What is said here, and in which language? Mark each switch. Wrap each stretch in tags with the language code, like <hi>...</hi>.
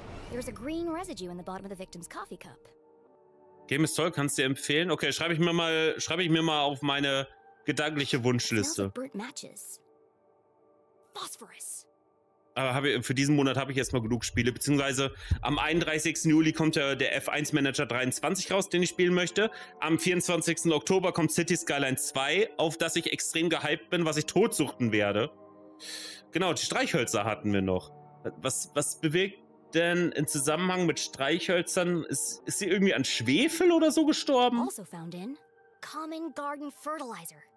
<en>There was a green residue in the bottom of the victim's coffee cup.</en> <de>Game ist toll, kannst du dir empfehlen? Okay, schreibe ich mir mal auf meine gedankliche Wunschliste.</de> <en>Phosphorus.</en> <de>Aber für diesen Monat habe ich erstmal genug Spiele, beziehungsweise am 31. Juli kommt ja der F1 Manager 23 raus, den ich spielen möchte. Am 24. Oktober kommt City Skyline 2, auf das ich extrem gehypt bin, was ich totsuchten werde. Genau, die Streichhölzer hatten wir noch. Was bewegt denn im Zusammenhang mit Streichhölzern? Ist sie irgendwie an Schwefel oder so gestorben?</de> <en>Also found in Common Garden Fertilizer.</en>